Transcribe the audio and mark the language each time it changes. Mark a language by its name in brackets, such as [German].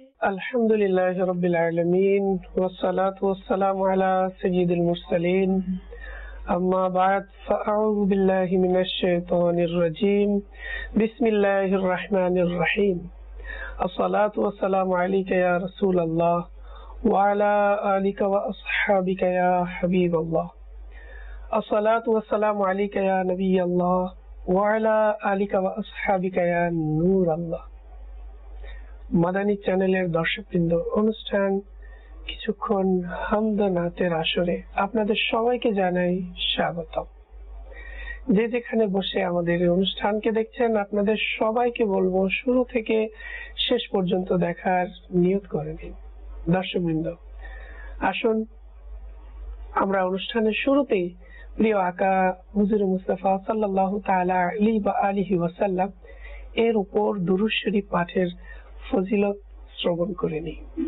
[Bangla] আলহামদুলিল্লাহ রাব্বিল আলামিন ওয়াসসালাতু ওয়াসসালামু আলা সাইয়্যিদিল মুরসালিন। [Arabic] أما بعد فأعوذ بالله من الشيطان الرجيم بسم الله الرحمن الرحيم الصلاة والسلام عليك يا رسول الله وعلى آلك وأصحابك يا حبيب الله الصلاة والسلام عليك يا نبي الله وعلى آلك وأصحابك يا نور الله [Bangla] مدني چانل দর্শক বৃন্দ অনুষ্ঠান কিছুক্ষণ হামদনাতের আসরে আপনাদের সবাইকে জানাই স্বাগত। যে যেখানে বসে আমাদের অনুষ্ঠানকে দেখছেন আপনাদের সবাইকে বলবো শুরু থেকে শেষ পর্যন্ত দেখার নিয়ত করে দিন। দর্শকবৃন্দ আসুন আমরা অনুষ্ঠানের শুরুতেই প্রিয় আকা হুজুর মুস্তাফা সাল্লাল্লাহু তাআলা আলাইহি ওয়া আলিহি ওয়াসাল্লাম এর উপর দুরূদ শরীফ পাঠের ফজিলত শ্রবণ করে নিই।